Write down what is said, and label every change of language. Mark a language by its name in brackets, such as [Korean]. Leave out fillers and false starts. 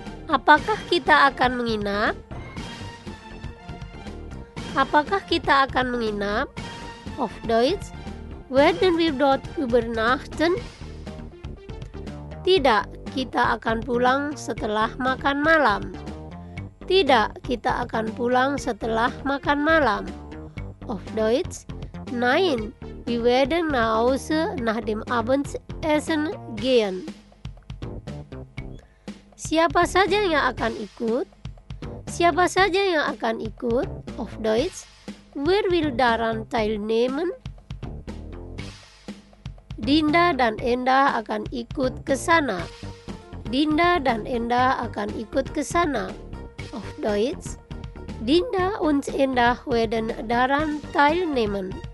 [Indonesian] Apakah kita akan menginap? Apakah kita akan menginap? [German] Auf Deutsch, werden wir dort übernachten? [Indonesian] Tidak, kita akan pulang setelah makan malam. Tidak, kita akan pulang setelah makan malam. [German] Auf Deutsch, nein, wir werden nach Hause nach dem Abendessen gehen. [Indonesian] Siapa saja yang akan ikut? Siapa saja yang akan ikut? [German] Auf Deutsch, wer will daran teilnehmen? [Indonesian] Dinda dan Endah akan ikut ke sana. Dinda dan Endah akan ikut ke sana. [German] Auf Deutsch, Dinda und Endah werden daran teilnehmen.